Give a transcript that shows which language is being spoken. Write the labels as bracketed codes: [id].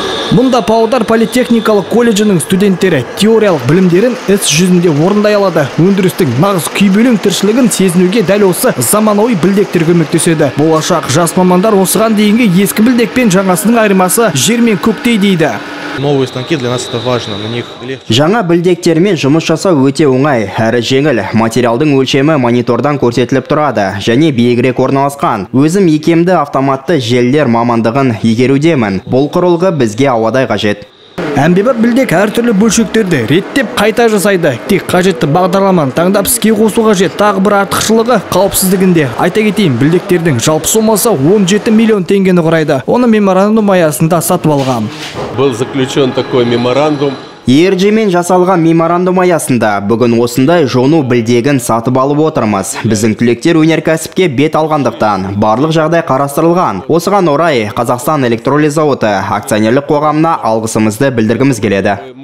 [kk] Мұнда Павлодар политехникалық колледжінің студенттері теориялық білімдерін іс жүзінде орындай алады. Өндірістің нағыз күйбелең тіршілігін сезінуге дәл осы заманауи білдектер көмектеседі. Болашақ жас мамандар осыған дейінгі ескі білдекпен жаңасының айырмасы жер мен көктей дейді. [ru] Новые станки для нас это важно, на них легче. [kk] Жаңа білдектермен жұмыс жасау өте оңай, әрі жеңіл. Материалдың өлшемі монитордан көрсетіліп тұрады, және биігірек орналасқан. Өзім икемді автоматты желдер мамандығын игерудемін. Бұл құрылғы бізге ауадай қажет. Әмбебап білдек әртүрлі бөлшектерді реттеп қайта жасайды. Тек қажетті бағдарламан таңдап іске қосуға жет. Тағы бір артықшылығы қауіпсіздігінде. Айта кетейін, білдектердің жалпы сомасы 17 миллион теңгені құрайды. Оны меморандум аясында сатып алған. [ru] Был заключен такой меморандум. [kk] ЕРЖ-мен жасалған меморандум аясында бүгін осындай жону білдегін сатып алып отырмыз. Біздің түлектер өнеркәсіпке бет алғандықтан барлық жағдай қарастырылған. Осыған орай Қазақстан электролиз зауыты акционерлік қоғамына алғысымызды білдіргіміз келеді.